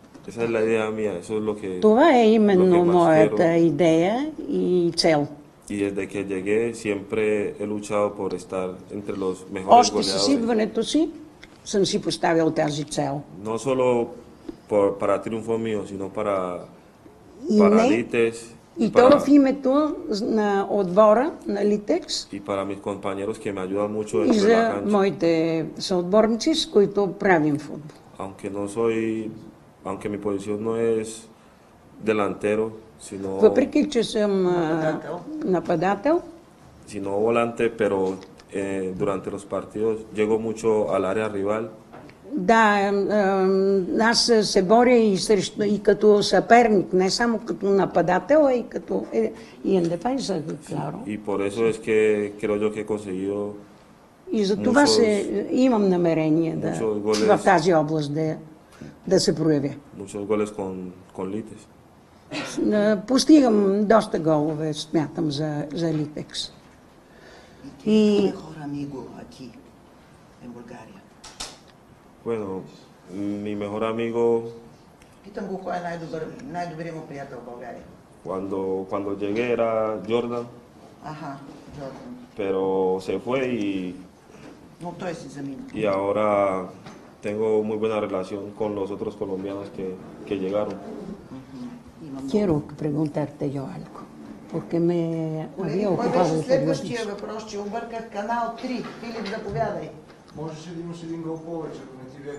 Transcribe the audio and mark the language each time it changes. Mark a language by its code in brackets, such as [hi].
[es] Esa es la idea mía, eso es lo que, [bg] това е именно [es] lo que más [bg] моята [es] quiero. [bg] Идея и цел. [es] И desde que llegué siempre he luchado por estar entre los mejores [bg] Още [es] goleadores. [bg] Още с идването си съм си поставил тази цел. [es] No solo por, para triunfo mío, sino para, para Lites. [bg] И то в името на отбора на Litex. [es] Y para mis compañeros que me ayudan mucho en la cancha. [bg] И моите съотборници, с които правим футбол. [es] Aunque no soy, aunque mi posición no es delantero, sino [bg] Въпреки че съм нападател. [es] Sino volante, pero durante los partidos llego mucho al área rival. [bg] Да, аз се боря и срещу и като съперник, не само като нападател, а и като и [es] en defensa, claro. Y por eso es que creo yo que he conseguido [bg] И за това се имам намерение да в тази област да се проявя. [es] Muchos goles con Litex. [bg] Постигам доста голове, смятам за Litex. [es] И mejor amigo aquí en Bulgaria. Bueno, mi mejor amigo. [bg] Питам го кой е най-добрият му приятел в България. [es] Cuando llegué era Jordan. Ajá, Jordan. Pero se fue y. [bg] Но той си замина. [es] Y ahora tengo muy buena relación con los otros colombianos que llegaron. Quiero preguntarte yo algo, porque me había ocupado [bg] de следващия въпрос, че обърках канал 3. Филип, заповядай. Можеше да имаш един гол повече, ако не ти бяха